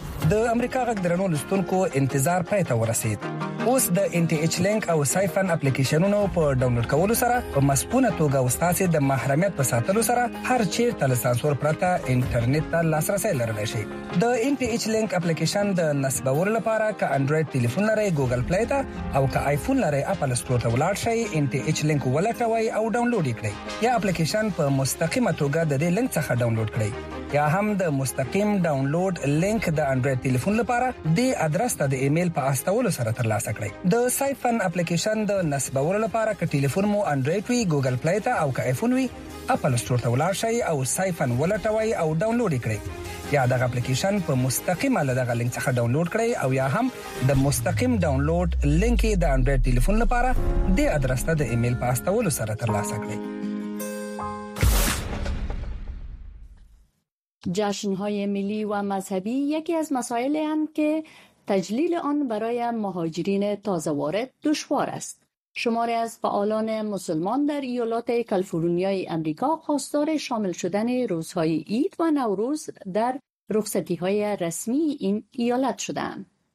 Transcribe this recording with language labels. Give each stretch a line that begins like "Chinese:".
Pashto: د امریکا غږ درنو لستونکو انتظار پای ته ورسید. اوس د ان ټی ایچ لینک او سایفن اپلیکیشنونو په ډاونلوډ کولو سره په مسپونه توګه واستاسې د محرمیت په ساتلو سره هر چیر تل سانسور پرته انټرنیټ ته لاسرسی لرلی شي. د ان ټی ایچ لینک اپلیکیشن د نصبولو لپاره که انډراید تلیفون لرئ ګوګل پلی ته او که آیفون لرئ اپل سټور ته ولاړ شئ، ان ټی ایچ لینک ولټوئ او ډاونلوډ یې کړئ یا اپلیکیشن په مستقیمه توګه د دې لینک څخه ډاونلوډ کړئ. یا هم د مستقیم ډاونلوډ لینک د انډراید ټلیفون لپاره دی ادرس ته د ایمیل په استولو سره ترلاسه کړئ. د سایفن اپلیکیشن د نصبولو لپاره که ټلیفون مو انډراید وي، ګوګل پلی ته او که ایفون وي اپل ستور ته ولاړ شئ او سایفن ولټوئ او ډاونلوډ یې کړئ. یا دغه اپلیکیشن په مستقیمه له دغه لینک څخه ډاونلوډ کړئ او یا هم د مستقیم ډاونلوډ لینک یې د انډراید ټلیفون لپاره دی ادرس ته د ایمیل په استولو سره ترلاسه کړئ.
Persian: جشن‌های ملی و مذهبی یکی از مسائلی هستند که تجلیل آن برای مهاجرین تازه وارد دشوار است. شماری از فعالان مسلمان در ایالات کالیفرنیای آمریکا خواستار شامل شدن روزهای عید و نوروز در رخصتی‌های رسمی این ایالت شدند.